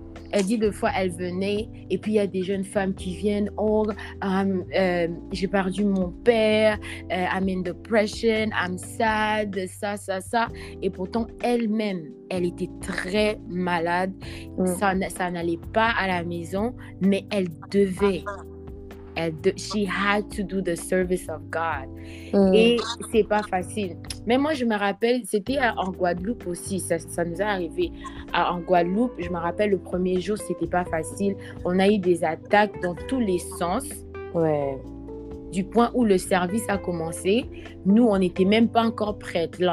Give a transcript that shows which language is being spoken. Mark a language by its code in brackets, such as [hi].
[fr] Elle dit deux fois, elle venait, et puis il y a des jeunes femmes qui viennent, « Oh, j'ai perdu mon père, [en] I'm in depression, I'm sad, [fr] ça, ça, ça. » Et pourtant, elle-même, elle était très malade. Mm. Ça n'allait pas à la maison, mais elle devait. [en] She had to do the service of God. [fr] Mm. Et c'est pas facile. Mais moi, je me rappelle, c'était en Guadeloupe aussi. Ça nous est arrivé en Guadeloupe. Je me rappelle, le premier jour, c'était pas facile. On a eu des attaques dans tous les sens. Ouais. Du point où le service a commencé, nous, on n'était même pas encore prêtes.